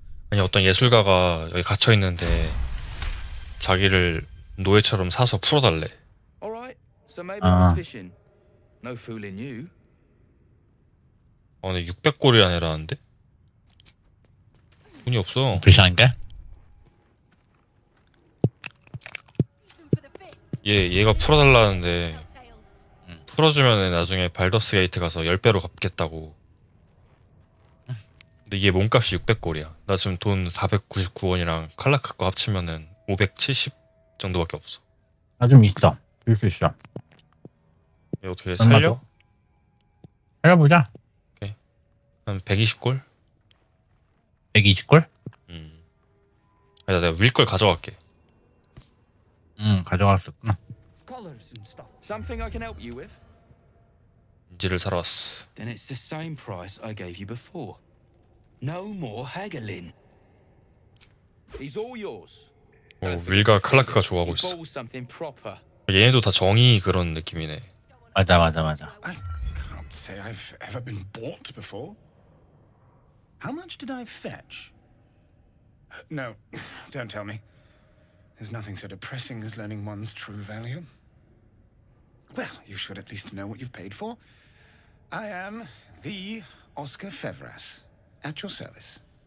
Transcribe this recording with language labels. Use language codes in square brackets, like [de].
[ko] 아니 어떤 예술가가 여기 갇혀 있는데 자기를 노예처럼 사서 풀어달래. [en] Alright, so maybe it was fishing. No fooling you. [ko] 어, 근데 600골이라 내라는데 돈이 없어. 불쌍한 게? 얘 얘가 풀어달라는데 풀어주면 나중에 발더스 게이트 가서 10배로 갚겠다고. 근데 이게 몸값이 600골이야. 나 지금 돈 499원이랑 칼라카 거 합치면은 570 정도밖에 없어. 나 좀 있어. 줄 수 있어. 얘 어떻게 살려? 살려보자. 오케이. 한 120골? 120골? 아니다, 내가 윌 걸 가져갈게. 가져갔었구나. [en] Something I can help you with? [ko] 인지를 사러 왔어. [en] Then it's the same price I gave you before. No more haggling. He's all yours. [ko] 오, 윌과 클라크가 좋아하고 있어. 얘네도 다 정의 그런 느낌이네. 맞아 맞아 맞아. [en] I can't say I've ever been bought before. How much did I fetch? No, don't tell me. There's nothing so depressing as learning one's true value. Well, you should at least know what you've paid for. I am the Oscar Fevras, at your service.